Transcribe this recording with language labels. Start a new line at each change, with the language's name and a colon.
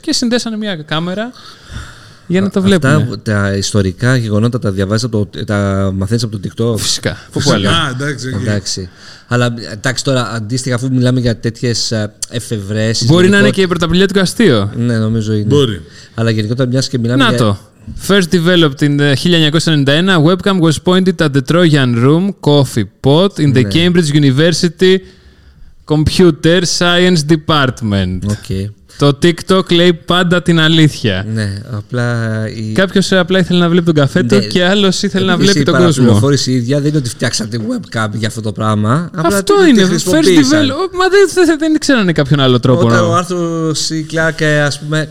Greek: Και συνδέσανε μια κάμερα για να το βλέπουν. Αυτά τα ιστορικά γεγονότα τα διαβάζεις, τα μαθαίνεις από το TikTok? Φυσικά. Εντάξει. Αλλά εντάξει, τώρα αντίστοιχα, αφού μιλάμε για τέτοιες εφευρέσεις. Μπορεί να είναι και η πρωταπηλία του αστείο. Ναι, νομίζω είναι. Μπορεί. Αλλά γενικότερα, μιας και μιλάμε. Νάτο. Για...
English: First developed in 1991, webcam was pointed at the Trojan Room Coffee Pot in the Cambridge University Computer Science Department. Okay.
Greek: Το TikTok λέει πάντα την αλήθεια. Ναι, απλά. Κάποιος απλά ήθελε να βλέπει τον καφέ του και άλλος ήθελε να βλέπει τον κόσμο. Η πληροφόρηση ίδια δεν είναι ότι φτιάξατε webcam για αυτό το πράγμα. Αυτό είναι.
English: First developed.
Greek: Μα δεν ξέρανε κάποιον άλλο τρόπο. Όταν ο Άρθρου Σι Κλάρκ, ας πούμε.